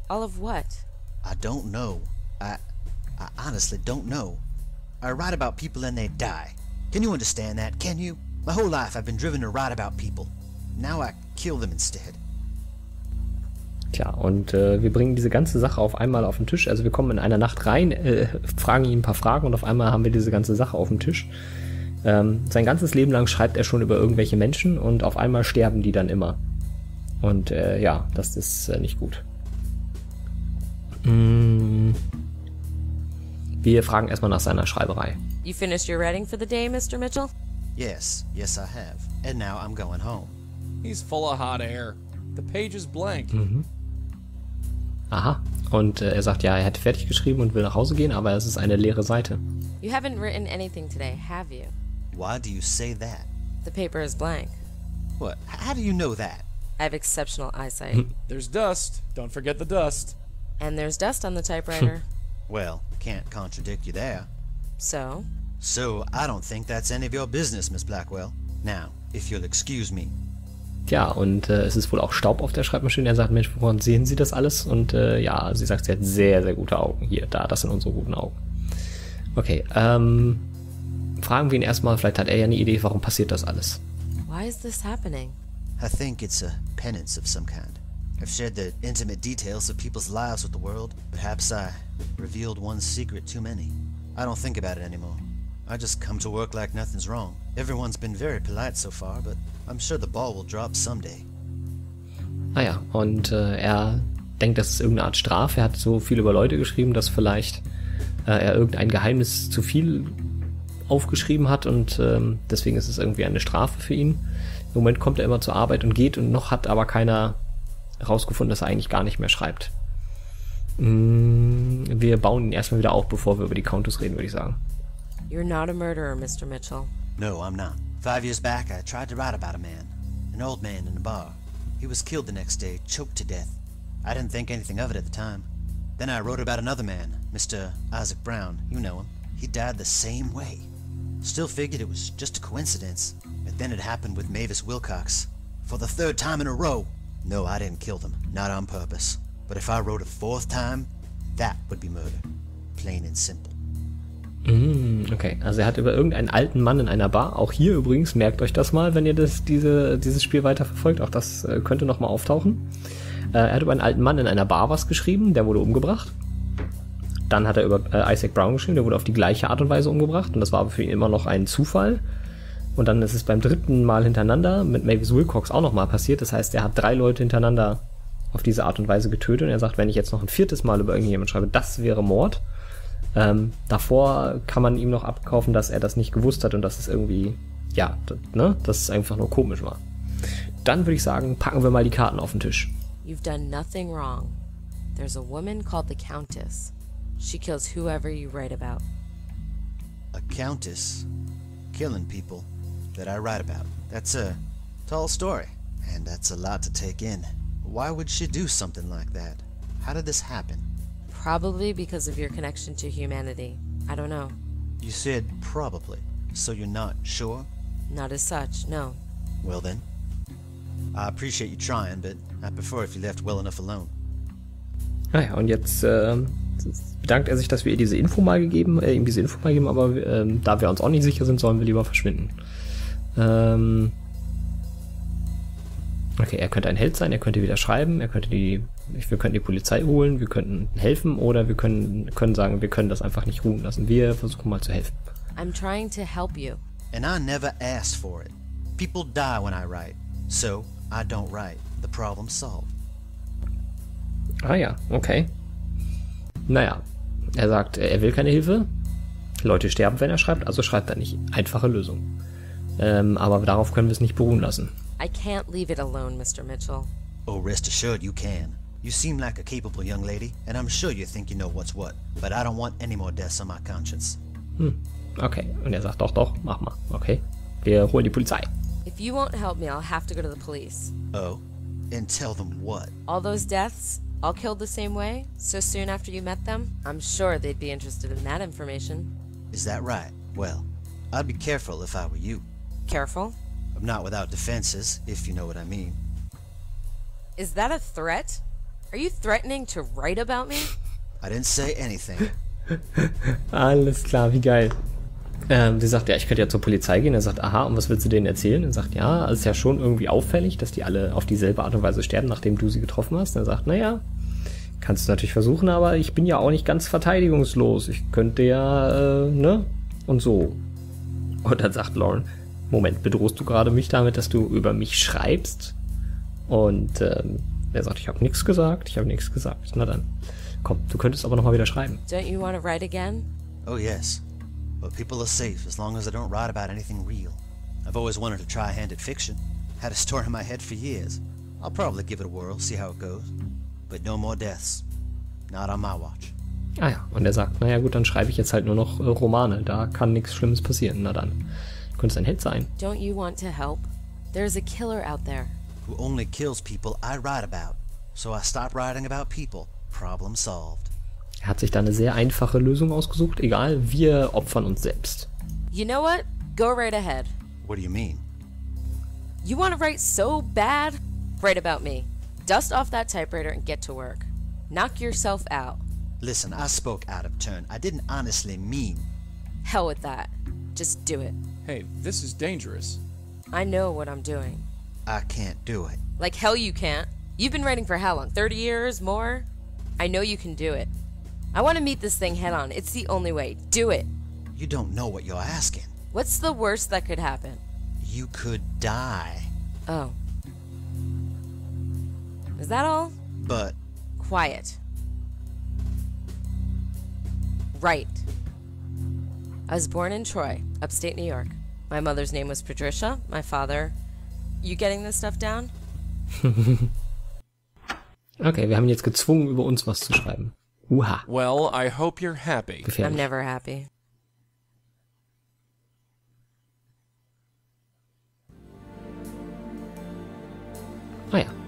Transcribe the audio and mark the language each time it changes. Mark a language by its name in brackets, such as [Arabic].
[English] All of what? I don't know. I honestly don't know. I write about people and they die. Can you understand that? Can you? My whole life I've been driven to write about people. Now I kill them instead. [German] Tja, und wir bringen diese ganze Sache auf einmal auf den Tisch. Also wir kommen in einer Nacht rein, fragen ihn ein paar Fragen und auf einmal haben wir diese ganze Sache auf dem Tisch. Sein ganzes Leben lang schreibt er schon über irgendwelche Menschen und auf einmal sterben die dann immer. Und ja, das ist nicht gut. Wir fragen erstmal nach seiner Schreiberei. [English] You finished your writing for the day, Mr. Mitchell? Yes, I have. And now I'm going home. He's full of hot air. The page is blank. Aha. [German] Und er sagt, ja, er hat fertig geschrieben und will nach Hause gehen, aber es ist eine leere Seite. [English] You haven't written anything today, have you? Why do you say that? The paper is blank. What? How do you know that? I have exceptional eyesight. There's dust. Don't forget the dust. And there's dust on the typewriter. Well, can't contradict you there. So? So, I don't think that's any of your business, Miss Blackwell. Now, if you'll excuse me. [German] Tja, und es ist wohl auch Staub auf der Schreibmaschine. Er sagt, Mensch, woran sehen Sie das alles? Und ja, sie sagt, sie hat sehr, sehr gute Augen. Hier, da, das sind unsere guten Augen. Okay, fragen wir ihn erstmal, vielleicht hat er ja eine Idee, warum passiert das alles? [English] Why is this happening? I think it's a penance of some kind. I've shared the intimate details of people's lives with the world. Perhaps I revealed one secret too many. I don't think about it anymore. I just come to work like nothing's wrong. Everyone's been very polite so far, but I'm sure the ball will drop someday. [German] Ah ja, und er denkt, das ist irgendeine Art Strafe. Er hat so viel über Leute geschrieben, dass vielleicht er irgendein Geheimnis zu viel aufgeschrieben hat und deswegen ist es irgendwie eine Strafe für ihn. Im Moment kommt er immer zur Arbeit und geht und noch hat aber keiner herausgefunden, dass er eigentlich gar nicht mehr schreibt. Wir bauen ihn erstmal wieder auf, bevor wir über die Countess reden, würde ich sagen. [English] You're not a murderer, Mr. Mitchell. No, I'm not. 5 years back, I tried to write about a man. An old man in a bar. He was killed the next day, choked to death. I didn't think anything of it at the time. Then I wrote about another man, Mr. Isaac Brown. You know him. He died the same way. Still figured it was just a coincidence. But then it happened with Mavis Wilcox. For the third time in a row. No, I didn't kill them. Not on purpose. But if I wrote a fourth time, that would be murder. Plain and simple. [German] Okay, also er hat über irgendeinen alten Mann in einer Bar, auch hier übrigens, merkt euch das mal, wenn ihr dieses Spiel weiterverfolgt, auch das könnte nochmal auftauchen. Er hat über einen alten Mann in einer Bar was geschrieben, der wurde umgebracht. Dann hat er über Isaac Brown geschrieben, der wurde auf die gleiche Art und Weise umgebracht und das war aber für ihn immer noch ein Zufall. Und dann ist es beim dritten Mal hintereinander mit Mavis Wilcox auch nochmal passiert, das heißt, er hat drei Leute hintereinander auf diese Art und Weise getötet und er sagt, wenn ich jetzt noch ein viertes Mal über irgendjemanden schreibe, das wäre Mord. Davor kann man ihm noch abkaufen, dass er das nicht gewusst hat und dass es irgendwie, ja, ne, dass es einfach nur komisch war. Dann würde ich sagen, packen wir mal die Karten auf den Tisch. [English] You've done nothing wrong. There's a woman called the Countess. She kills whoever you write about. A Countess killing people that I write about. That's a tall story and that's a lot to take in. Why would she do something like that? How did this happen? Probably because of your connection to humanity. I don't know. You said probably, so you're not sure? Not as such, no. Well then, I appreciate you trying, but I prefer if you left well enough alone. [German] Naja, und jetzt bedankt er sich, dass wir ihr diese Info mal gegeben, aber da wir uns auch nicht sicher sind, sollen wir lieber verschwinden. Okay, er könnte ein Held sein, er könnte wieder schreiben, wir könnten die Polizei holen, wir könnten helfen oder wir können sagen, wir können das einfach nicht ruhen lassen. Wir versuchen mal zu helfen. [English] I'm trying to help you. And I never asked for it. People die when I write. So, I don't write. The problem solved. [German] Ah ja, okay. Naja, er sagt, er will keine Hilfe. Leute sterben, wenn er schreibt, also schreibt er nicht. Einfache Lösung. Aber darauf können wir es nicht beruhen lassen. [English] I can't leave it alone, Mr. Mitchell. Oh, rest assured you can. You seem like a capable young lady, and I'm sure you think you know what's what. But I don't want any more deaths on my conscience. [German] Okay. Und er sagt, doch, doch, mach mal. Okay. Wir holen die Polizei. [English] If you won't help me, I'll have to go to the police. Oh? And tell them what? All those deaths, all killed the same way, so soon after you met them? I'm sure they'd be interested in that information. Is that right? Well, I'd be careful if I were you. Careful? I'm not without defenses, if you know what I mean. Is that a threat? Are you threatening to write about me? I didn't say anything. [German] Alles klar, wie geil. Sie sagt, ja, ich könnte ja zur Polizei gehen. Er sagt, aha, und was willst du denen erzählen? Er sagt, ja, es ist ja schon irgendwie auffällig, dass die alle auf dieselbe Art und Weise sterben, nachdem du sie getroffen hast. Und er sagt, naja, kannst du natürlich versuchen, aber ich bin ja auch nicht ganz verteidigungslos. Ich könnte ja, ne? Und so. Und dann sagt Lauren, Moment, bedrohst du gerade mich damit, dass du über mich schreibst? Und er sagt, ich habe nichts gesagt. Na dann, komm, du könntest aber nochmal wieder schreiben. [English] Don't you want to write again? Oh yes, but people are safe as long as I don't write about anything real. I've always wanted to try a hand at fiction. Had a story in my head for years. I'll probably give it a whirl, see how it goes. But no more deaths. Not on my watch. [German] Ah ja, und er sagt, naja gut, dann schreibe ich jetzt halt nur noch Romane. Da kann nichts Schlimmes passieren. Na dann, könnte es ein Hit sein. [English] Don't you want to help? There's a killer out there. Who only kills people I write about. So I stop writing about people. Problem solved. [German] Er hat sich da eine sehr einfache Lösung ausgesucht. Egal, wir opfern uns selbst. [English] You know what? Go right ahead. What do you mean? You want to write so bad? Write about me. Dust off that typewriter and get to work. Knock yourself out. Listen, I spoke out of turn. I didn't honestly mean. Hell with that. Just do it. Hey, this is dangerous. I know what I'm doing. I can't do it. Like hell you can't. You've been writing for how long? 30 years? More? I know you can do it. I want to meet this thing head on. It's the only way. Do it. You don't know what you're asking. What's the worst that could happen? You could die. Oh. Is that all? But... Quiet. Right. I was born in Troy, upstate New York. My mother's name was Patricia. My father... You getting this stuff down? [German] Okay, wir haben jetzt gezwungen, über uns was zu schreiben. Uha. [English] Well, I hope you're happy. Gefährlich. I'm never happy. [German] Ah ja.